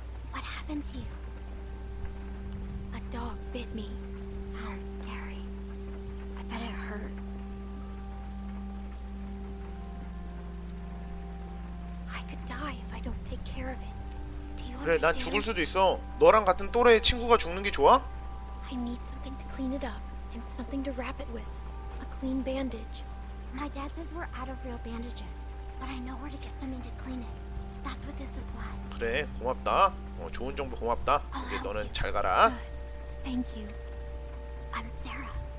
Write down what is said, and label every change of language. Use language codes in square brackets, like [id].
[en] What happened to you? A dog bit me. Sounds scary. But it hurts. I could die if I don't take care of it. Do you understand? [ko] 그래, 난 죽을 수도 있어. 너랑 같은 또래의 친구가 죽는 게 좋아? [en] I need something to clean it up and something to wrap it with. A clean bandage. My dad says we're out of real bandages, but I know where to get something to clean it. That's what this supplies. [ko] 그래, 고맙다. 어, 좋은 정보 고맙다. 이제 너는 잘 가라. [en] Good. Thank you. I'm Sarah.